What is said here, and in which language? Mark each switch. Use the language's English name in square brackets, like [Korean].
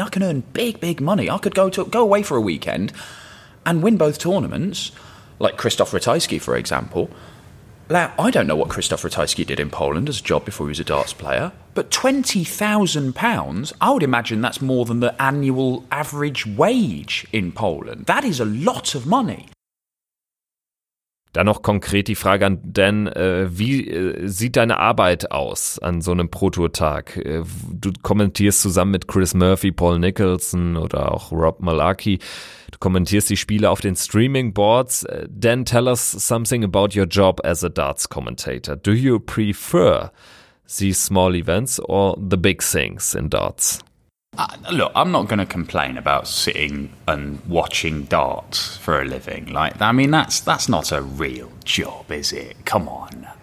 [English] I can earn big, big money. I could go away for a weekend and win both tournaments, like Krzysztof Ratajski, for example. Now, I don't know what Krzysztof Ratajski did in Poland as a job before he was a darts player, but £20,000, I would imagine that's more than the annual average wage in Poland. That is a lot of money. [German] Dann noch konkret die Frage an Dan, wie sieht deine Arbeit aus an so einem Pro-Tour-Tag? Du kommentierst zusammen mit Chris Murphy, Paul Nicholson oder auch Rob Malarkey. Du kommentierst die Spiele auf den Streaming-Boards. [English] Dan, tell us something about your job as a darts commentator. Do you prefer these small events or the big things in darts? Look, I'm not going to complain about sitting and watching darts for a living. Like, I mean, that's not a real job, is it? Come on.